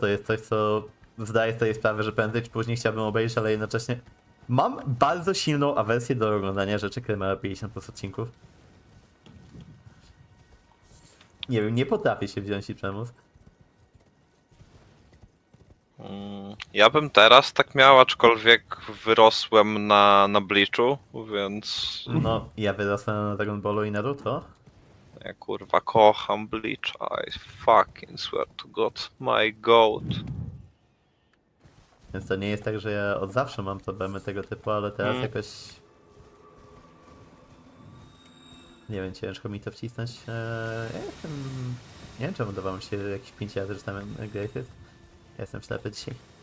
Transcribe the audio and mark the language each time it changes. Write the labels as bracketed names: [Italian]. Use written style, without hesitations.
[Polish] To jest coś, co zdaję sobie sprawę, że prędzej czy później chciałbym obejrzeć, ale jednocześnie mam bardzo silną awersję do oglądania rzeczy, które mają 50 plus odcinków. Nie wiem, nie potrafię się wziąć i przemóc. Ja bym teraz tak miał, aczkolwiek wyrosłem na Bleachu, więc... No, ja wyrosłem na Dragon Ballu i Naruto. Ja kurwa kocham Bleach, [English] I fucking swear to God, my God. [Polish] Więc to nie jest tak, że ja od zawsze mam problemy tego typu, ale teraz jakoś... Nie wiem, ciężko mi to wcisnąć. Ja jestem... Nie wiem, czemu dawałem się jakieś 5 razy, że tam grafit. Ja jestem ślepy dzisiaj.